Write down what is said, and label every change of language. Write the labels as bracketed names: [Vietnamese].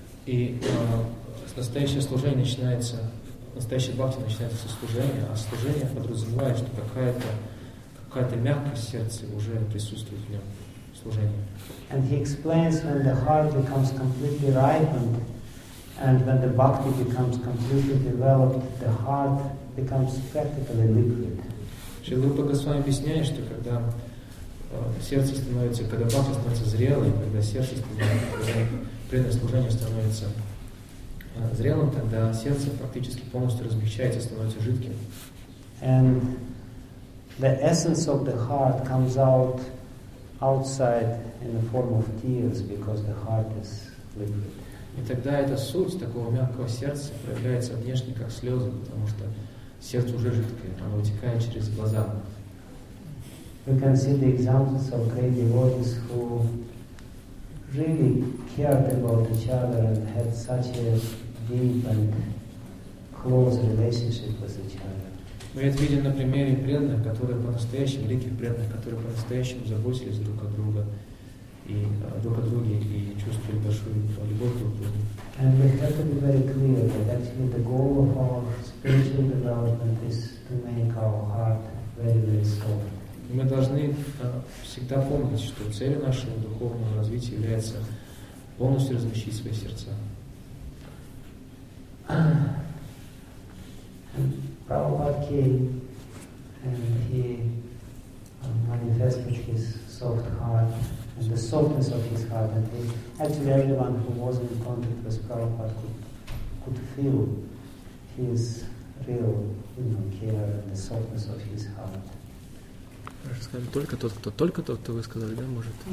[Russian] И настоящее служение начинается, настоящий бхакти начинается со служения, а служение подразумевает, что какая-то мягкость сердца уже присутствует в нем, в служении. [English] And he explains when the heart becomes completely ripened and when the bhakti becomes completely developed, the heart becomes practically liquid. [Russian] Шрила Рупа Госвами объясняет, что когда сердце становится, когда бхакти становится зрелым, когда сердце становится преданное служение становится зрелым, тогда сердце практически полностью размягчается, становится жидким. [English] And the essence of the heart comes out outside in the form of tears, because the heart is liquid. [Russian] И тогда эта суть такого мягкого сердца проявляется внешне, как слезы, потому что сердце уже жидкое, оно утекает через глаза. [English] We can see the examples of great devotees who really cared about each other and had such a deep and close relationship with each other. [Russian] Мы это видим на примере преданных, которые по-настоящему, великих преданных, которые по-настоящему заботились друг о друга и друг о друге и чувствовали большую любовь друг к другу. [English] And we have to be very clear that actually the goal of our spiritual development is to make our heart very, very soft. [Russian] Мы должны всегда помнить, что целью нашего духовного развития является полностью размягчить свои сердца. [English] Prabhupada came and he manifested his soft heart and the softness of his heart. And he, actually everyone who was in contact with Prabhupada could feel his real, you know, care and the softness of his heart. [Russian] Только тот, кто вы сказали, да, может.